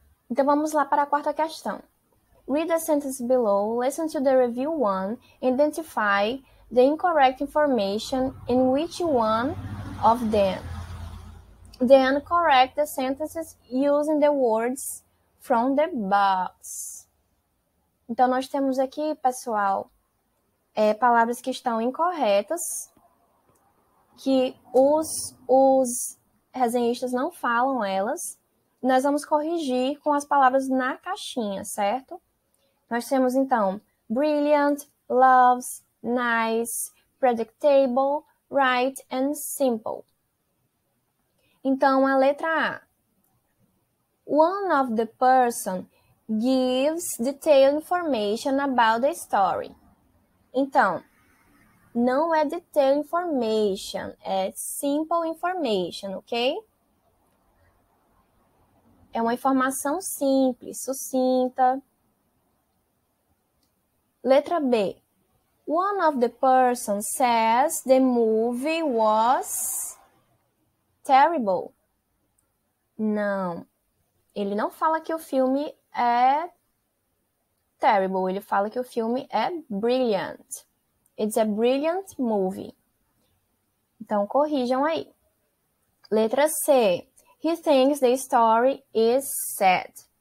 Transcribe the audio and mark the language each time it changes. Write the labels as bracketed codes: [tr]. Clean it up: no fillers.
[pt] Então, vamos lá para a quarta questão. [en] Read the sentences below, listen to the review one, identify the incorrect information in which one of them. Then correct the sentences using the words from the box. [pt] Então, nós temos aqui, pessoal, palavras que estão incorretas, que os resenhistas não falam elas. Nós vamos corrigir com as palavras na caixinha, certo? Nós temos, então, [en] brilliant, loves, nice, predictable, right, and simple. [pt] Então, a letra A. [en] One of the person gives detailed information about the story. [pt] Então, não é [en] detailed information, [pt] é [en] simple information, [pt] ok? É uma informação simples, sucinta. Letra B. [en] One of the persons says the movie was terrible. [pt] Não. Ele não fala que o filme é terrible. Ele fala que o filme é brilliant. [en] It's a brilliant movie. [pt] Então, corrijam aí. Letra C. [en] He thinks the story is sad.